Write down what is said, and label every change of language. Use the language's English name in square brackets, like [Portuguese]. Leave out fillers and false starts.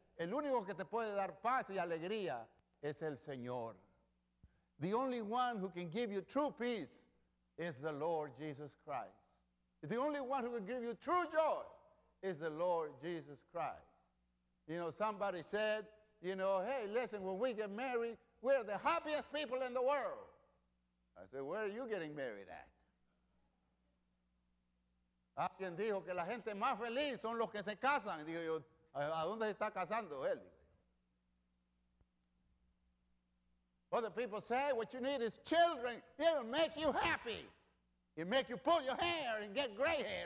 [Spanish] El único que te puede dar paz y alegría es el Señor. [English] The only one who can give you true peace is the Lord Jesus Christ. The only one who can give you true joy is the Lord Jesus Christ. You know, somebody said, you know, hey, listen, when we get married, we're the happiest people in the world. I said, where are you getting married at? [Spanish] Alguien dijo que la gente más feliz son los que se casan. Digo yo, ¿a dónde se está casando él? [English] Other people say, what you need is children. It'll make you happy. It'll make you pull your hair and get gray hair.